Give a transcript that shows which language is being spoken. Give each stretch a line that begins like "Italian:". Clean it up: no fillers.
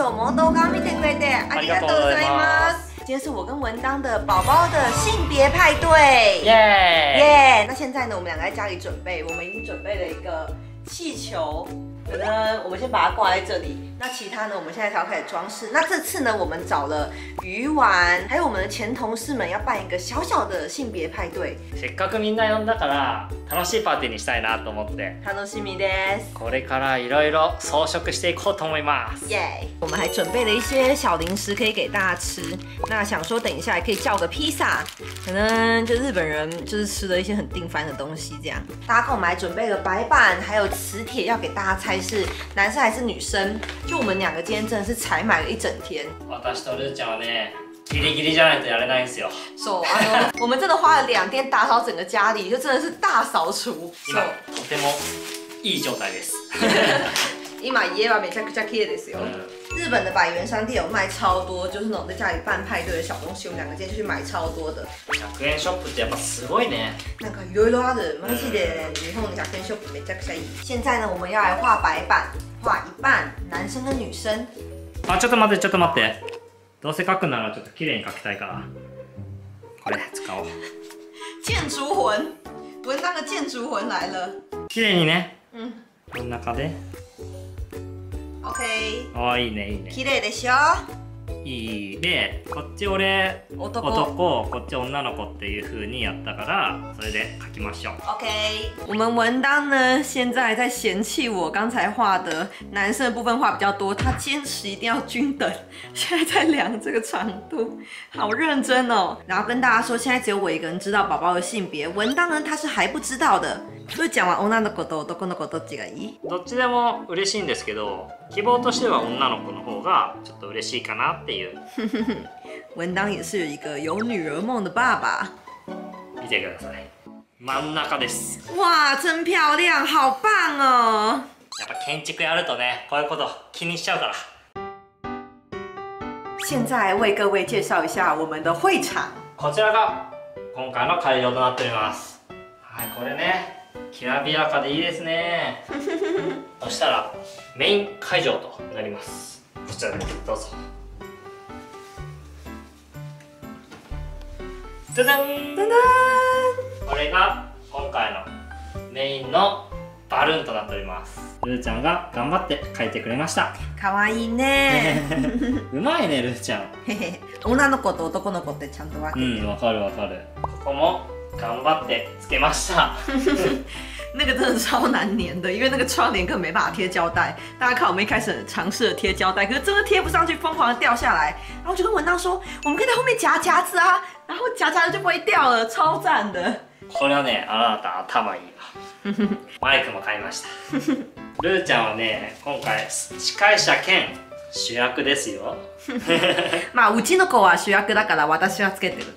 Japanese: 今日も動画見てくれてありがとうございます。
Chinese: 今天是我跟文章的宝宝的性别派对，耶耶！那现在呢，我们两个在家里准备，我们已经准备了一个气球，我们先把它挂在这里。那其他呢，我们现在才要开始装饰。那这次呢，我们找了鱼丸，还有我们的前同事们，要办一个小小的性别派对。
Japanese: せっかくみんな呼んだから、楽しいパーティーにしたいなと思って。楽しみです。これからいろいろ装飾していこうと思います。耶！
Chinese: 我们还准备了一些小零食可以给大家吃。那想说等一下可以叫个披萨，可能就日本人就是吃了一些很定番的东西这样。大家看，我们还准备了白板，还有磁铁要给大家猜是男生还是女生。就我们两个今天真的是采买了一整天。
Japanese: 私とルーちゃんはね、ギリギリじゃないとやれないんですよ。
Chinese: そう、我们真的花了两天打扫整个家里，就真的是大扫除。
Japanese: 今とてもいい状態です。今家はめちゃくちゃ綺麗ですよ。
Chinese: 日本的百元商店有卖超多，就是那种在家里办派对的小东西，我们两个今天就去买超多的。
Japanese: 百元ショップってやっぱすごいね。なんかいろいろある。マジで日本の百元ショップめちゃくちゃいい。
Chinese: 现在呢，我们要来画白板，画一半，男生跟女生。
Japanese: あ、ちょっと待って、ちょっと待って。どうせ描くならちょっと綺麗に描きたいから。これ使おう。
Chinese: 建筑魂，文章的建筑魂来了。
Japanese: 綺麗にね。真ん中で。 OK。ああ、いいね、いいね。綺麗でしょ。いい。で、こっち俺、男、こっち女の子っていう風にやったから、それで描きましょう。 OK。
Chinese: 我们文章呢，现在在嫌弃我刚才画的男生的部分画比较多，他坚持一定要均等。现在在量这个长度，好认真哦。然后跟大家说，现在只有我一个人知道宝宝的性别，文章呢他是还不知道的。
Japanese: ルーちゃんは女の子と男の子どっちがいい？どっちでも嬉しいんですけど、希望としては女の子の方がちょっと嬉しいかなっていう。
Chinese: 文章也是一个有女儿梦的爸爸。
Japanese: 見てください。真ん中です。
Chinese: 哇，真漂亮，好棒哦！
Japanese: やっぱ建築やるとね、こういうこと気にしちゃうから。
Chinese: 现在为各位介绍一下我们的会场。
Japanese: こちらが今回の会場となっております。はい、これね。きらびやかでいいですね。そしたらメイン会場となります。こちらでどうぞ。ダダンダダン、これが今回のメインのバルーンとなっております。ルーちゃんが頑張って描いてくれました。かわいいね。うまいね、ルーちゃん。女の子と男の子ってちゃんと分けてる。うん、わかるわかる。ここも頑張ってつけました。
Chinese: 那个真的超难粘的，因为那个窗帘根本没办法贴胶带。大家看，我们一开始尝试了贴胶带，可是真的贴不上去，疯狂的掉下来。然后我就跟文章说，我们可以在后面夹夹子啊，然后夹夹子就不会掉了，超赞的。
Japanese: これはね、あなた頭いいわ。マイクも買いました。ルーちゃんはね、今回司会者兼主役ですよ。まあうちの子は主役だから私はつけてる。